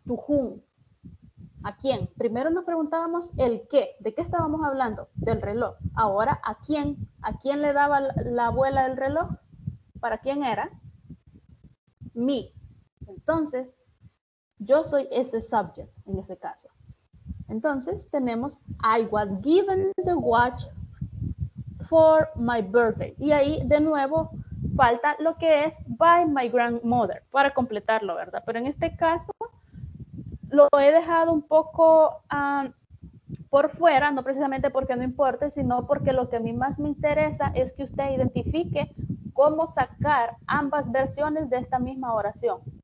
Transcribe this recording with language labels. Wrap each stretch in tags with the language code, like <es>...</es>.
<en>To whom.</en> <es>¿A quién? Primero nos preguntábamos el qué. ¿De qué estábamos hablando? Del reloj. Ahora, ¿a quién? ¿A quién le daba la abuela el reloj? ¿Para quién era? Me. Entonces, yo soy ese subject en ese caso. Entonces, tenemos</es> <en>I was given the watch for my birthday.</en> <es>Y ahí, de nuevo, falta lo que es</es> <en>by my grandmother</en> <es>para completarlo, ¿verdad? Pero en este caso, lo he dejado un poco por fuera, no precisamente porque no importe, sino porque lo que a mí más me interesa es que usted identifique cómo sacar ambas versiones de esta misma oración.</es>